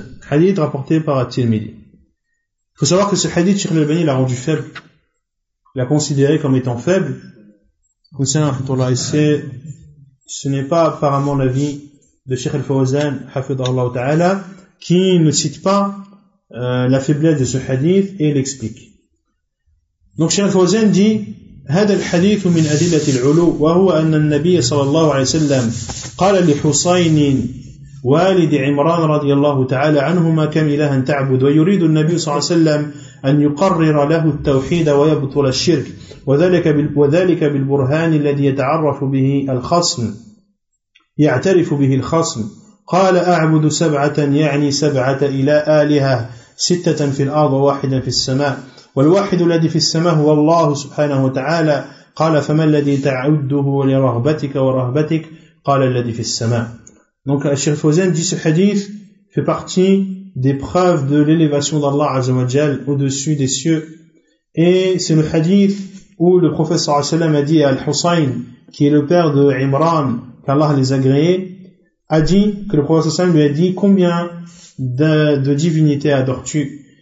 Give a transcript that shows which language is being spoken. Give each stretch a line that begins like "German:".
French: Hadith rapporté par At-Tirmidhi. Il faut savoir que ce hadith, Cheikh Al-Albani l'a rendu faible. Il l'a considéré comme étant faible. Ce n'est pas apparemment l'avis de Cheikh Al-Fawzan, Hafidhahullah Ta'ala, qui ne cite pas la faiblesse de ce hadith et l'explique. Donc Cheikh Al-Fawzan dit
Arabic: هذا الحديث من أدلة العلو وهو أن النبي صلى الله عليه وسلم قال لحسين والد عمران رضي الله تعالى عنهما كم إلها تعبد ويريد النبي صلى الله عليه وسلم أن يقرر له التوحيد ويبطل الشرك وذلك بالبرهان الذي يتعرف به الخصم يعترف به الخصم قال أعبد سبعة يعني سبعة إلى آلهة ستة في الأرض وواحدا في السماء والواحد الذي في السماء هو الله سبحانه وتعالى قال فما الذي تعده لرغبتك ورهبتك قال الذي في السماء.
French: Donc Cheikh Fawzan dit ce hadith fait partie des preuves de l'élévation d'Allah Azza wa Jal au-dessus des cieux. Et c'est le hadith où le prophète sallallahu alayhi wa sallam a dit à Al-Husayn, qui est le père de Imran, qu'Allah les a agréés, a dit que le prophète sallallahu alayhi wa sallam lui a dit combien de divinités adores-tu.